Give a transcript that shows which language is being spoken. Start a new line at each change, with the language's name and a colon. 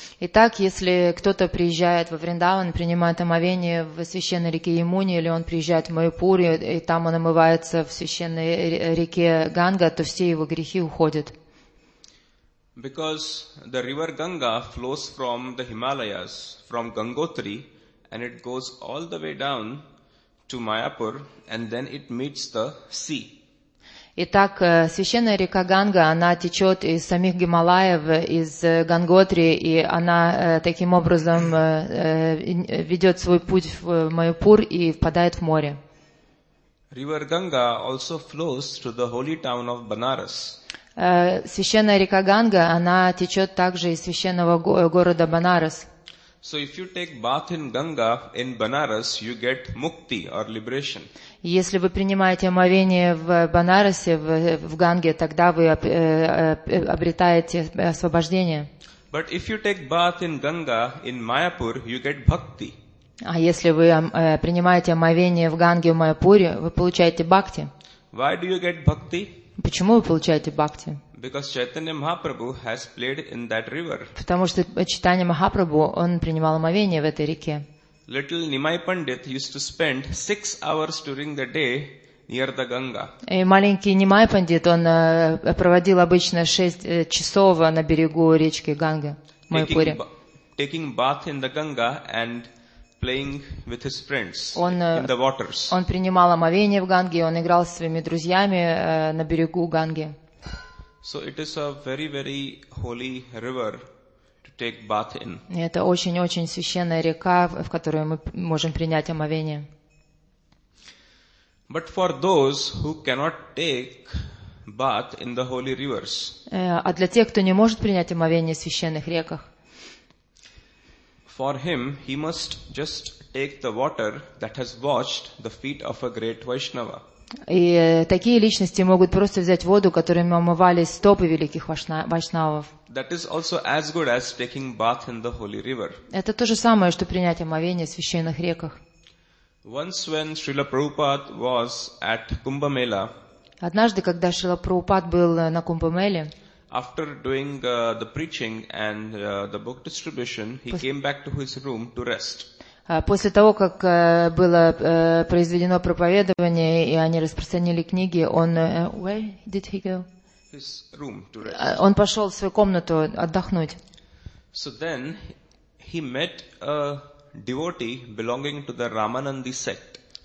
Russian: Итак, если кто-то приезжает во Вриндаван, принимает омовение в священной реке Ямуне, или он приезжает в Майпур, и там он омывается в священной реке Ганга, то все его грехи уходят.
English: Because the river Ganga flows from the Himalayas, from Gangotri, and it goes all the way down to Mayapur, and then it meets the sea.
Russian: Итак, священная река Ганга, она течет из самих Гималаев, из Ганготри, и она таким образом ведет свой путь в Майпур и впадает в море.
English: River Ganga also flows through the holy town of Banaras.
Russian: Священная река Ганга, она течет также из священного города Банарас.
English: So if you take bath in Ganga in Banaras, you get mukti or liberation.
Russian: Если вы принимаете омовение в Банарасе, в Ганге, тогда вы обретаете освобождение.
English: But if you take bath in Ganga in Mayapur, you get bhakti.
Russian: А если вы принимаете омовение в Ганге в Майапуре, вы получаете бхакти.
English: Why do you get bhakti?
Russian: Почему вы получаете бхакти?
English: Because Chaitanya Mahaprabhu has played in that river.
Russian: Потому что Чайтанья Махапрабху, он принимал омовение в этой реке.
English: Little Nimai Pandit used to spend 6 hours during the day near the Ganga.
Russian: И маленький Нимай Пандит, он проводил обычно 6 часов на берегу речки Ганга, Майпуре.
English: Taking bath in the Ganga and playing with his friends in the waters.
Russian: Он принимал омовение в Ганге, он играл со своими друзьями на берегу Ганги.
English: So it is a very, very holy river to take bath in.
Russian: Это очень-очень священная река, в которую мы можем принять омовение.
English: But for those who cannot take bath in the holy rivers.
Russian: А для тех, кто не может принять омовение в священных реках.
English: For him, he must just take the water that has washed the feet of a great Vaishnava.
Russian: И такие личности могут просто взять воду, которыми омывались стопы великих вайшнавов.
English: That is also as good as taking bath in the holy river.
Russian: Это то же самое, что принять омовение в священных реках.
English: Once when Srila Prabhupada was at Kumbh Mela,
Russian: Однажды, когда Шрила Прабхупад был на Кумбамеле,
English: after doing the preaching and the book distribution, he came back to his room to rest.
Russian: После того, как было произведено проповедование и они распространили книги, он
English: where did he go? His room to rest.
Russian: Он пошел в свою комнату отдохнуть.
English: So then he met a devotee belonging to the Ramanandi sect.